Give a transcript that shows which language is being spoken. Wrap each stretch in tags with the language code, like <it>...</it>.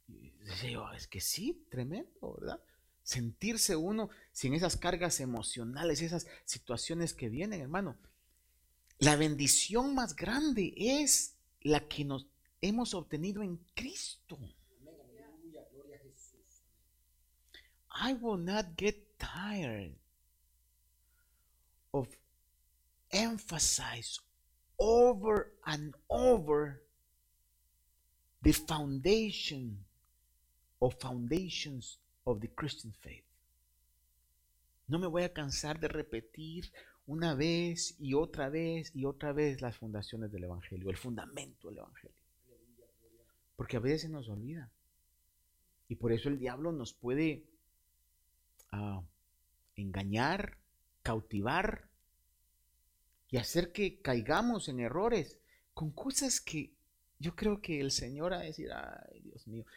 <es>Y decía yo, es que sí, tremendo, ¿verdad? Sentirse uno sin esas cargas emocionales, esas situaciones que vienen, hermano. La bendición más grande es la que nos hemos obtenido en Cristo.</es> <en>I will not get tired of emphasize over and over the foundation or foundations of the Christian faith.</en> <es>No me voy a cansar de repetir una vez y otra vez y otra vez las fundaciones del Evangelio, el fundamento del Evangelio. Porque a veces se nos olvida. Y por eso el diablo nos puede engañar, cautivar y hacer que caigamos en errores con cosas que yo creo que el Señor va a decir, ay Dios mío.</es>